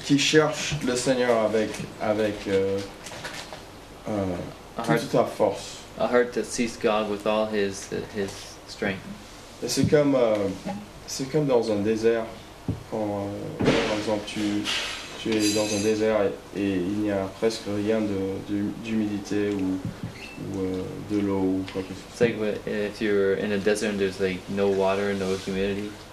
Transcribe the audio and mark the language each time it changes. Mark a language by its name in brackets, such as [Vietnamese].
[French] Qui cherche le Seigneur avec toute sa force. [English] A heart that sees God with all his strength. [French] Et c'est comme dans un désert. Par exemple, tu es dans un désert et il n'y a presque rien d'humidité ou de l'eau ou quoi que ce soit. [English] It's like if you're in a desert and there's like no water, no humidity.